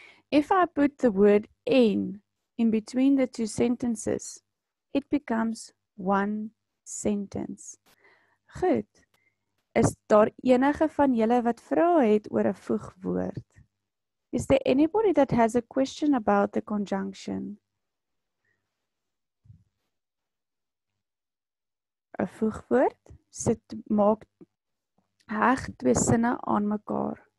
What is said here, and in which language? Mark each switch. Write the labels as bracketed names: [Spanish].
[English] If I put the word en in between the two sentences, it becomes one sentence. [Afrikaans] Goed, is daar enige van julle wat vrae het oor 'n voegwoord? [English] Is there anybody that has a question about the conjunction? [Afrikaans] A voegwoord sit maak heg twee sinne aan mekaar.